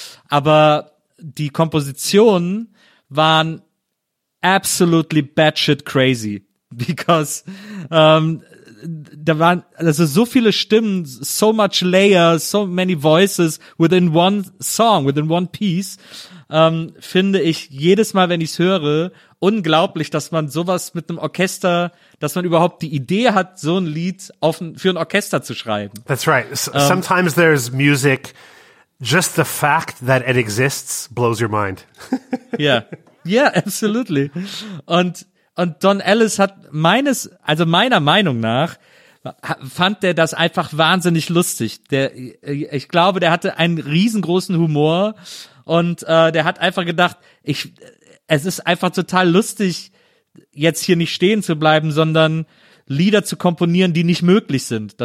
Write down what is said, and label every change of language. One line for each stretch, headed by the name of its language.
German: Aber die Kompositionen waren
English: absolutely batshit crazy, because
German: da waren also so viele Stimmen,
English: so much layers, so many voices within one song, within one piece,
German: finde ich jedes Mal, wenn ich es höre, unglaublich, dass man sowas mit einem Orchester, dass man überhaupt die Idee hat, so ein Lied für ein Orchester zu schreiben.
English: That's right. Sometimes there's music, just the fact that it exists blows your mind. Yeah, absolutely.
German: Und Don Ellis hat meiner Meinung nach, fand der das einfach wahnsinnig lustig. Ich glaube, der hatte einen riesengroßen Humor und der hat einfach gedacht, es ist einfach total lustig, jetzt hier nicht stehen zu bleiben, sondern Lieder zu komponieren, die nicht möglich sind.